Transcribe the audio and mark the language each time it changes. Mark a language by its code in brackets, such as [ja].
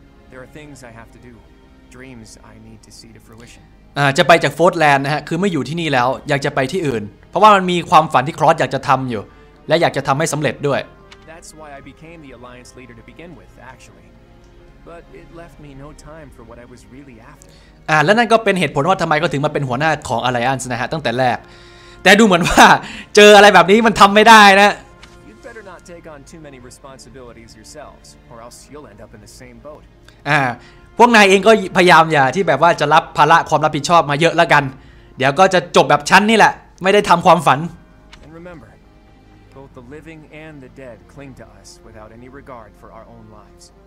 [en] There are things I have to do. Dreams I need to see to fruition. [th] จะไปจากโฟร์ดแลนด์นะฮะคือไม่อยู่ที่นี่แล้วอยากจะไปที่อื่นเพราะว่ามันมีความฝันที่ครอสอยากจะทำอยู่และอยากจะทำให้สำเร็จด้วย [en] That's why I became the Alliance leader to begin with actually. But it left me no time for what I was really after. [th] และนั่นก็เป็นเหตุผลว่าทำไมเขาถึงมาเป็นหัวหน้าของ Alliance นะฮะตั้งแต่แรกแต่ดูเหมือนว่าเจออะไรแบบนี้มันทำไม่ได้นะ [en] You'd better not take on too many responsibilities yourselves, or else you'll end up in the same boat. [th] พวกนายเองก็พยายามอย่าที่แบบว่าจะรับภาระความรับผิดชอบมาเยอะละกันเดี๋ยวก็จะจบแบบฉันนี่แหละไม่ได้ทำความฝัน [en] And remember, both the living and the dead cling to us without any regard for our own lives.